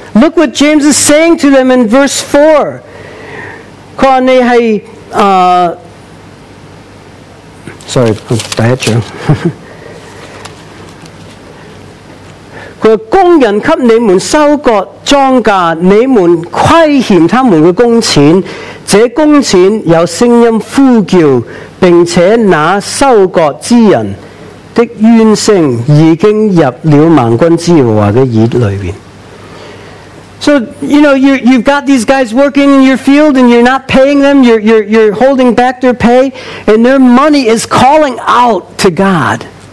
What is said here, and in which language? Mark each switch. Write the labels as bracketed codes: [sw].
[en] Look what James is saying to them in verse 4. [yue] 佢話你係，sorry，第一章。佢話工人給你們收割莊稼，你們虧欠他們嘅工錢，這工錢有聲音呼叫，並且那收割之人的冤聲已經入了萬軍之耶和華的耳裏邊。 [en] So you know, you've got these guys working in your field and you're not paying them, you're holding back their pay, and their money is calling out to God.